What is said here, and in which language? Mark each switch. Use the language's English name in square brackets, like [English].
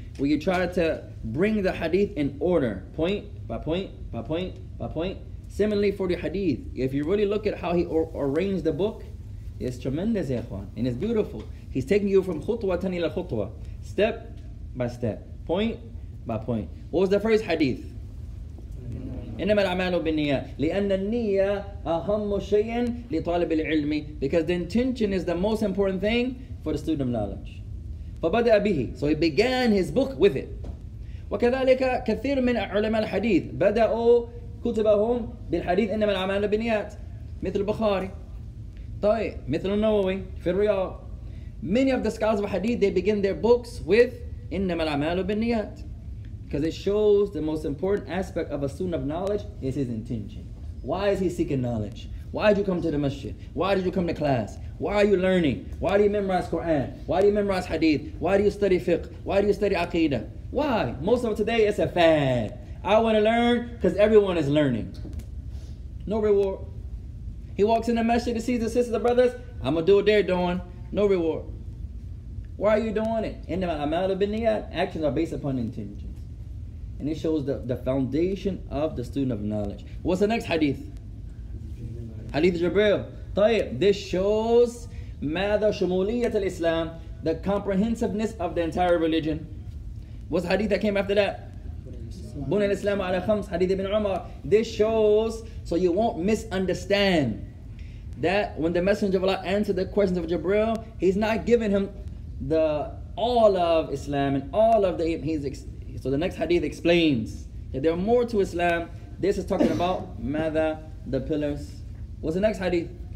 [English] We try to bring the hadith in order, point by point by point by point. Similarly for the hadith, if you really look at how he arranged the book, it's tremendous, Ya Khawar, and it's beautiful. He's taking you from [Arabic] khutwa tani ila khutwa, [English] step by step, point by point. What was the first hadith? [Arabic] إنما الأعمال بالنية لأن النية أهم شيء لطالب العلم. [English] Because the intention is the most important thing for the student of knowledge. [Arabic] فبدأ به. [English] So he began his book with it. [Arabic] وكذلك كثير من علماء الحديث بدأوا كتبهم بالحديث إنما الأعمال بالنيات مثل البخاري. طيب مثل النووي في الرياض. [English] Many of the scholars of hadith, they begin their books with [Arabic] إنما الأعمال بالنيات. [English] Because it shows the most important aspect of a student of knowledge is his intention. Why is he seeking knowledge? Why did you come to the masjid? Why did you come to class? Why are you learning? Why do you memorize Quran? Why do you memorize hadith? Why do you study fiqh? Why do you study aqidah? Why? Most of today it's a fad. I want to learn because everyone is learning. No reward. He walks in the masjid to see the sisters and brothers. I'm going to do what they're doing. No reward. Why are you doing it? In the amal of binniyat, actions are based upon intention. And it shows the foundation of the student of knowledge. What's the next hadith? Hadith Jibril. طيب, this shows ماذا [Arabic] شمولية الإسلام, [English] the comprehensiveness of the entire religion. What's the hadith that came after that? [Arabic] بُنَى الْإِسْلَامُ عَلَى خَمْسِ [English] Hadith Ibn Umar. This shows, so you won't misunderstand, that when the Messenger of Allah answered the questions of Jibril, he's not giving him the all of Islam and all of the... So the next hadith explains that there are more to Islam. This is talking about ماذا, the pillars. What's the next hadith?